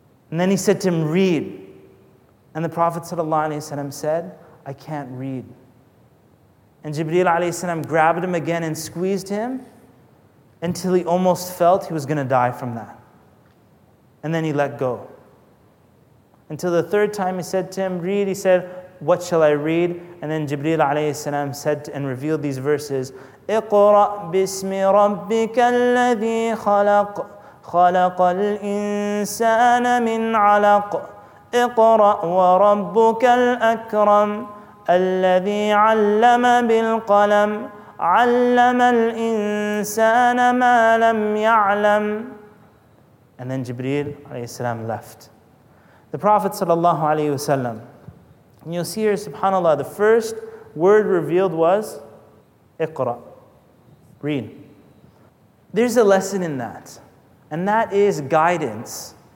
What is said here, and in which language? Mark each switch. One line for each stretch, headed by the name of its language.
English: And then he said to him, read. And the Prophet sallallahu alayhi salam said, I can't read. And Jibreel alayhi salam grabbed him again and squeezed him, until he almost felt he was going to die from that. And then he let go. Until the third time he said to him, read, he said, what shall I read? And then Jibreel alayhi salam said and revealed these verses,
Arabic: اقرأ باسم ربك الذي خلق خلق الإنسان من علق اقرأ وربك الأكرم الذي علم بالقلم عَلَّمَ الْإِنسَانَ مَا لَمْ يَعْلَمْ.
English: And then Jibreel alayhi salam left. The Prophet sallallahu alayhi wasallam, and you'll see here, subhanAllah, the first word revealed was اقرأ, read. There's a lesson in that, and that is guidance.